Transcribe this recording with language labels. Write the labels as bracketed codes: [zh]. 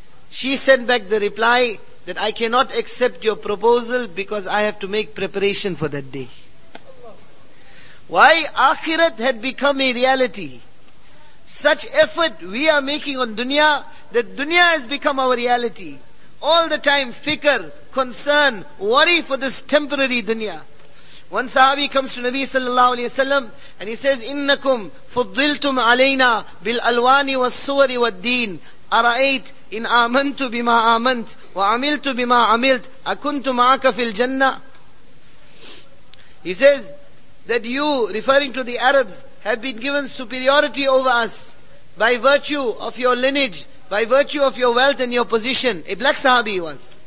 [en] She sent back the reply that I cannot accept your proposal because I have to make preparation for that day. Why? Akhirat had become a reality. such effort we are making on dunya, that dunya has become our reality. All the time, fikr, concern, worry for this temporary dunya. One sahabi comes to Nabi sallallahu alayhi wa sallam, and he says, [ar] إِنَّكُمْ فُضِّلْتُمْ عَلَيْنَا بِالْأَلْوَانِ وَالصُّوَرِ وَالدِّينِ أَرَأَيْتُ إِنْ آمَنْتُ بِمَا آمَنْتُ وَعَمِلْتُ بِمَا عَمِلْتُ أَكُنْتُ مَعَكَ فِي الْجَنَّةِ. [en] He says that you, referring to the Arabs, have been given superiority over us by virtue of your lineage, by virtue of your wealth and your position. A black sahabi he was.